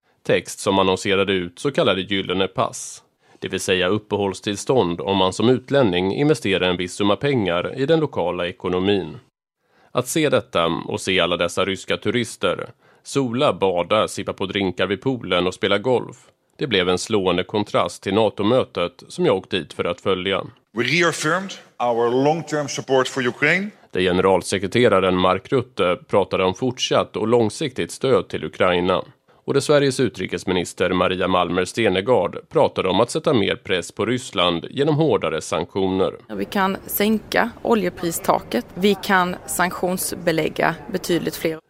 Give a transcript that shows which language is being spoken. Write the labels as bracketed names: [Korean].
[Swedish] Text som annonserade ut så kallade gyllene pass, det vill säga uppehållstillstånd om man som utlänning investerar en viss summa pengar i den lokala ekonomin. Att se detta och se alla dessa ryska turister sola, bada, sippa på drinkar vid poolen och spela golf, det blev en slående kontrast till NATO-mötet som jag åkt dit för att följa. [English] We reaffirmed our long-term support for Ukraine. [Swedish] Det generalsekreteraren Mark Rutte pratade om fortsatt och långsiktigt stöd till Ukraina. Och det Sveriges utrikesminister Maria Malmer Stenegard pratade om att sätta mer press på Ryssland genom hårdare sanktioner. Vi kan sänka oljepristaket. Vi kan sanktionsbelägga betydligt fler.